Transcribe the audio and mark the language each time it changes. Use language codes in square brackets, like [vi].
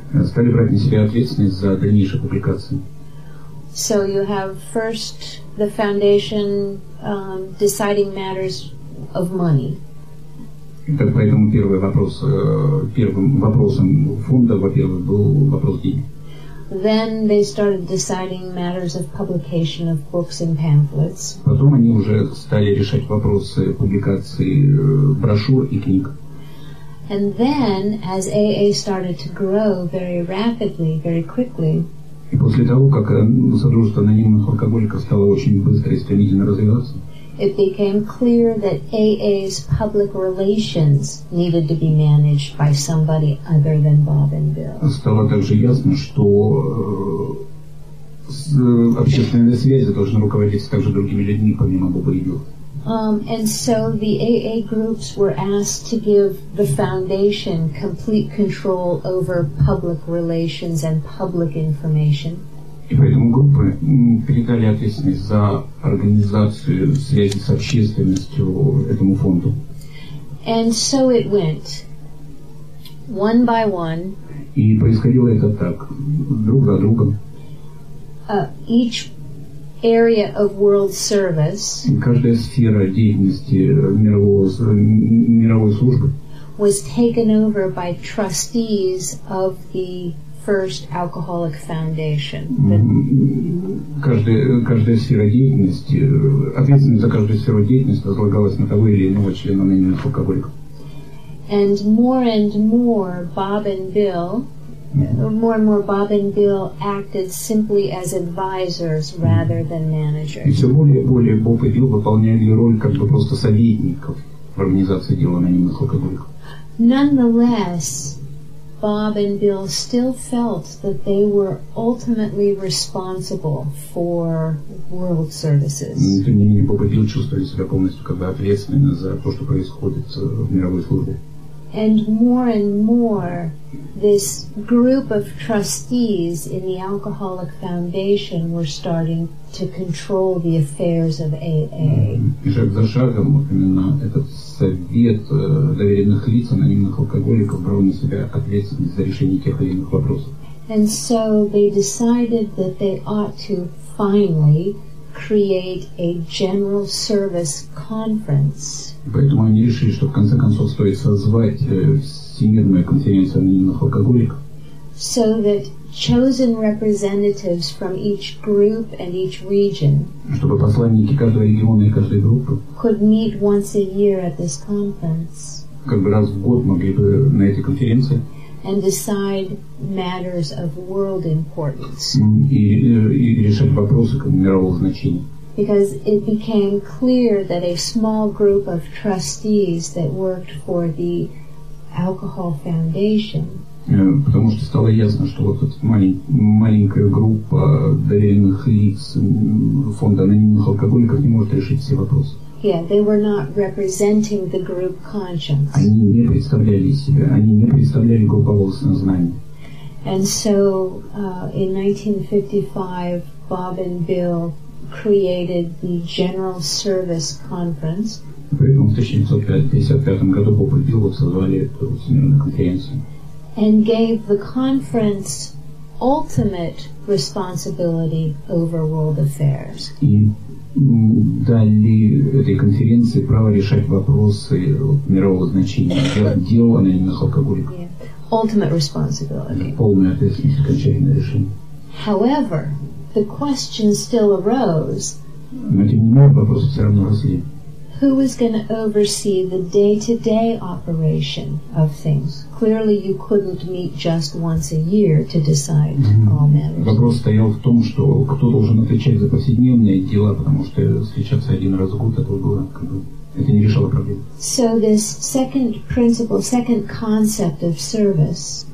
[ru] Стали брать на себя ответственность за дальнейшие публикации. [en] So you have first the foundation deciding matters of money. [ru] Так поэтому первым вопросом фонда, во-первых, был вопрос денег. [en] Then they started deciding matters of publication of books and pamphlets. [ru] Потом они уже стали решать вопросы публикации брошюр и книг. [en] And then, as AA started to grow very rapidly, very quickly, [ru] и после того, как Содружество анонимных алкоголиков стало очень быстро и стремительно развиваться, [en] it became clear that AA's public relations needed to be managed by somebody other than Bob and Bill. [ru] Стало также ясно, что общественные связи должны руководиться также другими людьми, помимо Боба и Билла. [en] And so the AA groups were asked to give the foundation complete control over public relations and public information. [ru] И поэтому группы передали ответственность за организацию связи с общественностью этому фонду. [en] And so it went, one by one. [ru] И происходило это так, друг за другом. [en] Each area of world service. [ru] Каждая сфера деятельности мировой службы [en] was taken over by trustees of the First Alcoholic Foundation. [ru] Каждая сфера деятельности, ответственность за каждую сферу деятельности возлагалась на того или иного члена анонимных алкоголиков. [en] And more Bob and Bill, more and more Bob and Bill acted simply as advisors rather than managers. [ru] И все более и более Боб и Билл выполняли роль как бы просто советников в организации дела анонимных алкоголиков. [en] Nonetheless, Bob and Bill still felt that they were ultimately responsible for World Services. [ru] Bob и Билл чувствовали себя полностью как бы ответственными за то, что происходит в мировой службе. [en] And more, this group of trustees in the Alcoholic Foundation were starting to control the affairs of AA. [ru] И шаг за шагом, вот именно этот совет доверенных лиц анонимных алкоголиков брал на себя ответственность за решение тех или иных вопросов. [en] And so they decided that they ought to finally create a general service conference. [ru] Поэтому они решили, что в конце концов стоит созвать всемирную конференцию анонимных алкоголиков. [en] So that chosen representatives from each group and each region, [ru] чтобы посланники каждого региона и каждой группы, [en] could meet once a year at this conference, [ru] как бы раз в год могли бы на этой конференции, [en] and decide matters of world importance, [ru] и решать вопросы мирового значения. [en] Because it became clear that a small group of trustees that worked for the Alcohol Foundation, [ru] потому что стало ясно, что вот эта маленькая группа доверенных лиц фонда анонимных алкоголиков не может решить все вопросы. [en] Yeah, they were not representing the group conscience. [ru] Они не представляли себя, они не представляли группового сознания. [en] And so in 1955 Bob and Bill created the General Service Conference. [ru] Поэтому в 1955 году Bob и Bill создали эту всемирную конференцию. [en] And gave the conference ultimate responsibility over world affairs. [ru] И дали этой конференции право решать вопросы мирового значения, дел анонимных алкоголиков. [en] Ultimate responsibility. [ru] Полная ответственность, окончательное решение. [en] However, the question still arose. [ru] Но тем не менее вопросы все равно росли. [en] Who is going to oversee the day-to-day operation of things? Clearly, you couldn't meet just once a year to decide all matters. [ru] Вопрос стоял в том, что кто должен отвечать за повседневные дела, потому что встречаться один раз в год это было, как бы, это не решало проблем. [en] So this second principle, second concept of service,